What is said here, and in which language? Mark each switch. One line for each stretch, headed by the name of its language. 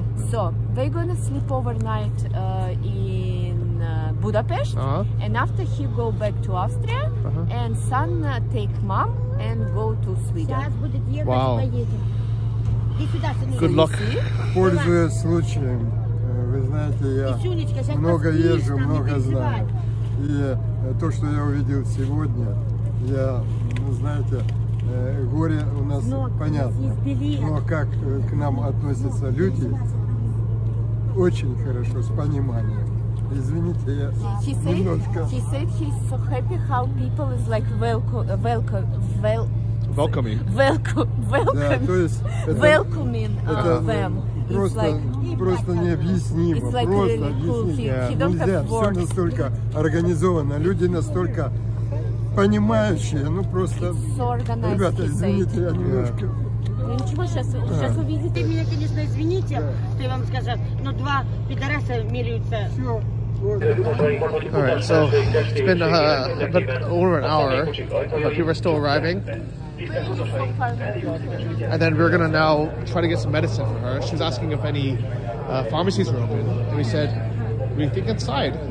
English: So they're gonna sleep overnight in Budapest, and after he go back to Austria, and son take mom and go to Sweden. Wow. Good luck.
Russian: Пользуясь случаем, вы знаете, я много езжу, много знаю, и то, что я увидел сегодня, я, знаете. Горе у нас понятно, но как к нам относятся люди, очень хорошо, с пониманием. Извините, я немножко...
English: He said he's so happy how people is like welcoming them.
Russian: Просто необъяснимо, просто объяснить. Нельзя, все настолько организовано, люди настолько... Понимающие, ну просто...
English: So
Russian: ребята, извините, я немножко... Ну ничего, сейчас увидите меня, конечно, извините, что я вам скажу, но два пидораса меряются. Все.
English: All right, so it's been a bit over an hour, but people are still arriving. And then we're going to now try to get some medicine for her. She was asking if any pharmacies were open. And we said, we think inside.